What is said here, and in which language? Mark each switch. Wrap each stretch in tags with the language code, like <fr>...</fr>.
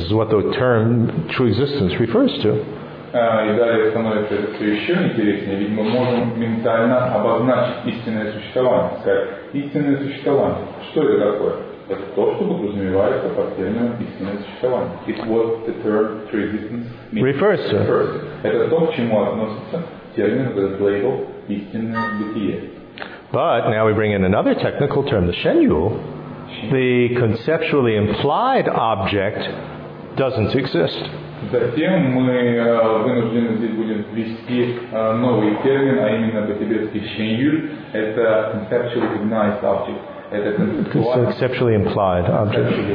<en>This is what the term true existence refers to.</en> <ru>И далее становится это еще интереснее, ведь мы можем ментально обозначить истинное существование. Сказать, истинное существование, что это такое? Это то, что подразумевается под термином истинное существование.</ru> <en>It's what the term true existence means. Refers to.</en> <ru>Это то, к чему относится термин, этот лейбл, истинное бытие.</ru> <en>But now we bring in another technical term, the shenyu. The conceptually implied object doesn't exist.</en> <ru>Затем мы вынуждены здесь будем ввести новый термин, а именно по-тибетски шенью. Это</ru> <en>conceptually implied object. Conceptually implied object.</en>